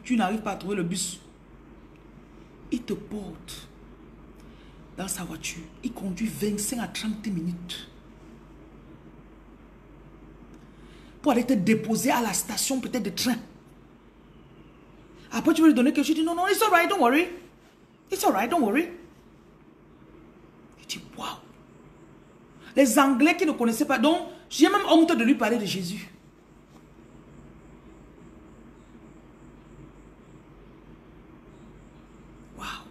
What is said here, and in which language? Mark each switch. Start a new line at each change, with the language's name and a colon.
French: Tu n'arrives pas à trouver le bus. Il te porte dans sa voiture. Il conduit 25 à 30 minutes. Pour aller te déposer à la station peut-être de train. Après, tu veux lui donner quelque chose. Tu dis non,
English: it's all right, don't worry. It's all right, don't worry.
French: Il dit, wow. Les Anglais qui ne connaissaient pas, donc j'ai même honte de lui parler de Jésus. Wow.